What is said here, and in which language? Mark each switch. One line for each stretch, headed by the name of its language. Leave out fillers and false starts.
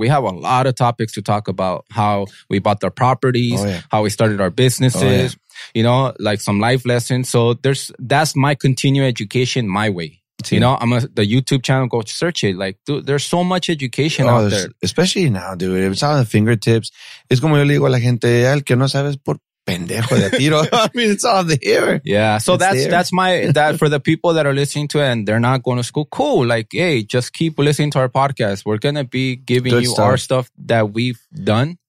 English: We have a lot of topics to talk about. How we bought their properties, how we started our businesses. Oh, yeah. You know, like some life lessons. So that's my continuing education, my way. See. You know, the YouTube channel, go search it. Like, dude, there's so much education out there. Especially now, dude. It's all the fingertips.
Spanish: Es como yo le digo a la gente, el que no sabes por pendejo de tiro.
English: I mean, it's all there. Yeah. So that's for the people that are listening to it and they're not going to school. Cool. Like, hey, just keep listening to our podcast. We're going to be giving good you stuff. Our stuff that we've done.